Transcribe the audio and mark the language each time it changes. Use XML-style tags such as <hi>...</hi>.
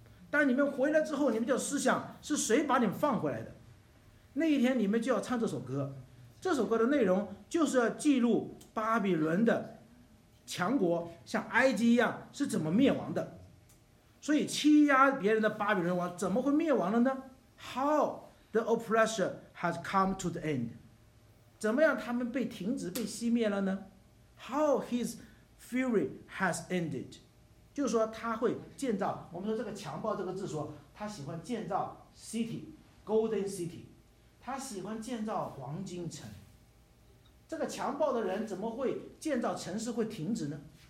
<zh>但你们回来之后，你们就要思想是谁把你们放回来的。那一天你们就要唱这首歌，这首歌的内容就是要记录巴比伦的强国像埃及一样是怎么灭亡的。所以欺压别人的巴比伦王怎么会灭亡了呢？</zh> <en>How the oppressor has come to the end，</en> <zh>怎么样他们被停止被熄灭了呢？</zh> <en>How his fury has ended，</en> <zh>就是说他会建造，我们说这个强暴这个字说他喜欢建造</zh> <en>city golden city，</en> <zh>他喜欢建造黄金城。这个强暴的人怎么会建造城市会停止呢？</zh>